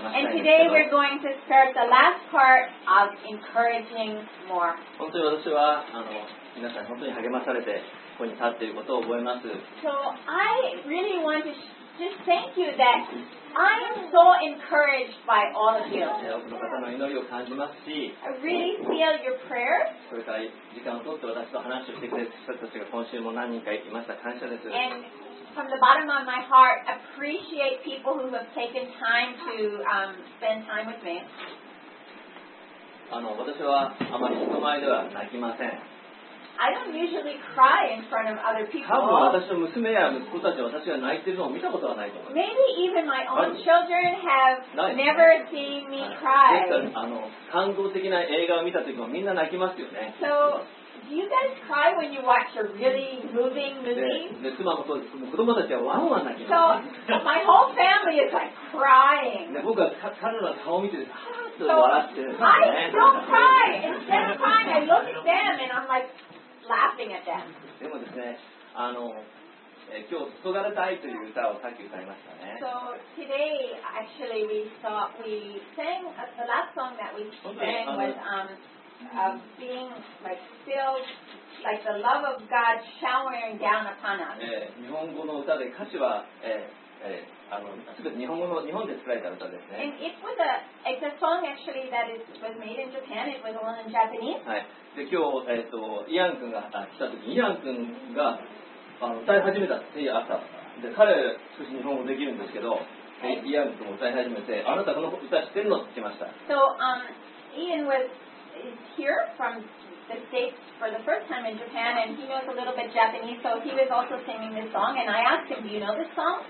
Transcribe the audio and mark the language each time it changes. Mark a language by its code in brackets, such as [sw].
[en] today we're going to start the last part of encouraging more. [ja] 本当に私は、皆さん本当に励まされてここに立っていることを覚えます。 [en] So I really want to just thank you that I am so encouraged by all of you. [ja] 多くの方の祈りを感じますし、 [en] I really feel your prayers. [ja] それから時間を取って私と話をしてくれた人たちが今週も何人か行きました。感謝です。 [en] And from the bottom of my heart, appreciate people who have taken time to spend time with me. [ja] 私はあまり人前では泣きません。 [en] I don't usually cry in front of other people. [ja] 多分私の娘や息子たちは私が泣いているのを見たことはないと思います。 [en] Maybe even my own children have never seen me cry. [ja] 感動的な映画を見た時もみんな泣きますよね。 [en] So, do you guys cry when you watch a really moving movie? [ja] 妻もそうです。子供たちはワンワン泣きます。 [en] So, my whole family is like crying. [ja] 僕は彼らの顔を見てです。 [en] So I don't cry. Instead of crying, I look at them and I'm like laughing at them. [ja] でもですね、今日注がれた愛という歌をさっき歌いましたね。 [en] So today, actually, we sang the last song that we sang was being like filled, like the love of God showering down upon us. [ja] 日本語の歌で歌詞は。日本語の日本で作られた歌ですね。 [en] And it was it's a song actually that was made in Japan. It was all in Japanese. [ja] はい。で今日イアン君が来た時、イアン君が歌い始めたって言った。で彼少し日本語できるんですけど、イアン君も歌い始めて、あなたこの歌知ってるのって聞きました。 [en] So Ian was here from the States for the first time in Japan, and he knows a little bit Japanese, so he was also singing this song. And I asked him, "Do you know this song?"